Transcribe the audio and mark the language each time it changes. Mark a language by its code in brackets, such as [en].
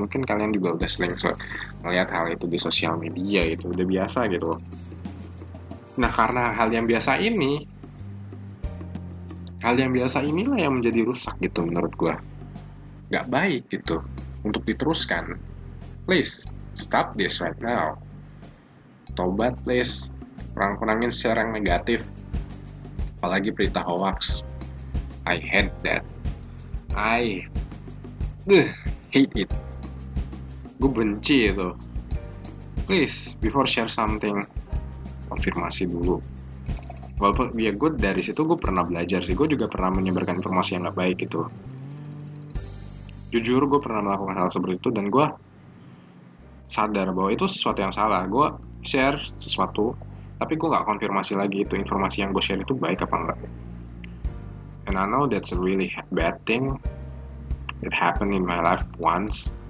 [id] Mungkin kalian juga udah sering ngeliat hal itu di sosial media, itu udah biasa gitu loh. Nah, karena hal yang biasa inilah yang menjadi rusak gitu menurut gue. Gak baik gitu untuk diteruskan. [en] Please stop this right now. [id] Tobat please. Kurang-kurangin share yang negatif, apalagi berita hoax. [en] I hate that. Hate it. [id] Gue benci itu. [en] Please, before share something, [id] konfirmasi dulu. Walaupun ya gue dari situ gue pernah belajar sih. Gue juga pernah menyebarkan informasi yang gak baik gitu. Jujur gue pernah melakukan hal seperti itu. Dan gue sadar bahwa itu sesuatu yang salah. Gue share sesuatu, tapi gue gak konfirmasi lagi itu informasi yang gue share itu baik apa enggak. [en] And I know that's a really bad thing. It happened in my life once.